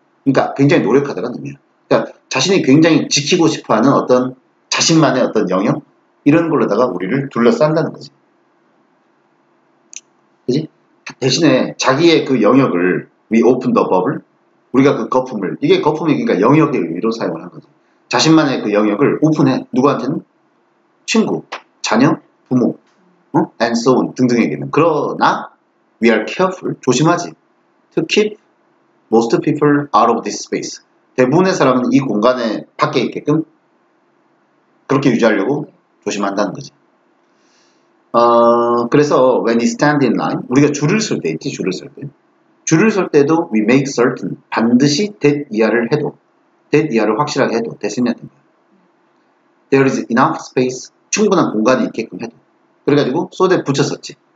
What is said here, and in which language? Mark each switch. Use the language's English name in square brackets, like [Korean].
[Korean] 그러니까 굉장히 노력하다라는 의미야. 그러니까 자신이 굉장히 지키고 싶어하는 어떤 자신만의 어떤 영역 이런 걸로다가 우리를 둘러싼다는 거지. 그지? 대신에 자기의 그 영역을 [English] we open the bubble [Korean] 우리가 그 거품을 이게 거품이 그러니까 영역의 의미로 사용을 한 거지. 자신만의 그 영역을 오픈해 누구한테는 친구, 자녀, 부모. [English] And so on [Korean] 등등에게는 그러나 [English] we are careful [Korean] 조심하지 [English] to keep most people out of this space [Korean] 대부분의 사람은 이 공간에 밖에 있게끔 그렇게 유지하려고 조심한다는 거지. 그래서 [English] when you stand in line [Korean] 우리가 줄을 설 때 있지 줄을 설 때도 [English] we make certain [Korean] 반드시 that 이하를 해도 that 이하를 확실하게 해도 대신에 [English] there is enough space [Korean] 충분한 공간이 있게끔 해도 그래가지고 소대 붙였었지.